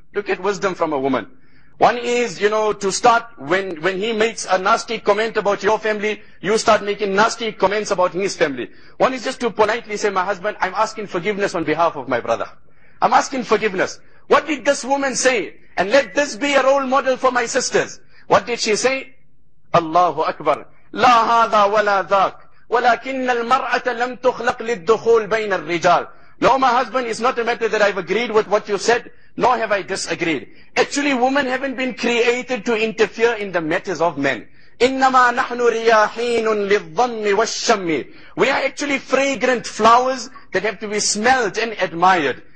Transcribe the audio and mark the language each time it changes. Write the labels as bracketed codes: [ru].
[en] Look at wisdom from a woman. One is, you know, to start when he makes a nasty comment about your family, you start making nasty comments about his family. One is just to politely say, my husband, I'm asking forgiveness on behalf of my brother. I'm asking forgiveness. What did this woman say? And let this be a role model for my sisters. What did she say? Allahu Akbar. [ar] لا هذا ولا ذاك. ولكن المرأة لم تخلق للدخول بين الرجال. [en] No, my husband, it's not a matter that I've agreed with what you said, nor have I disagreed. Actually, women haven't been created to interfere in the matters of men. [ar] إِنَّمَا نَحْنُ رِيَاحِينٌ لِلظَّمِّ وَالشَّمِّ. [en] We are actually fragrant flowers that have to be smelled and admired.